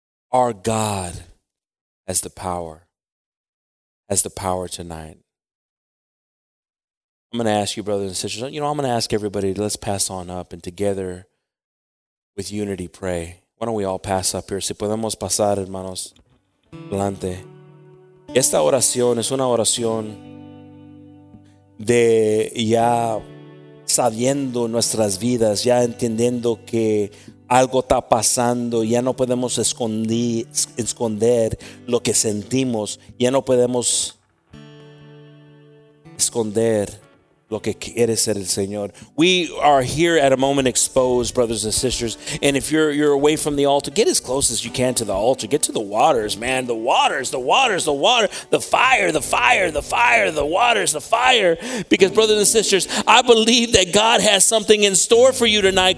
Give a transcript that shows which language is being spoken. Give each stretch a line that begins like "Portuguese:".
English: Our God has the power tonight. I'm going to ask you, brothers and sisters, you know, I'm going to ask everybody, let's pass on up and together with unity pray. Why don't we all pass up here?
Spanish: Si podemos pasar, hermanos, adelante. Esta oración es una oración de ya sabiendo nuestras vidas, ya entendiendo que algo está pasando, ya no podemos esconder lo que sentimos, ya no podemos esconder lo que quiere ser el Señor.
English: We are here at a moment exposed, brothers and sisters, and if you're away from the altar, get as close as you can to the altar. Get to the waters, man. The waters, the waters, the water, the fire, the fire, the fire, the waters, the fire. Because brothers and sisters, I believe that God has something in store for you tonight.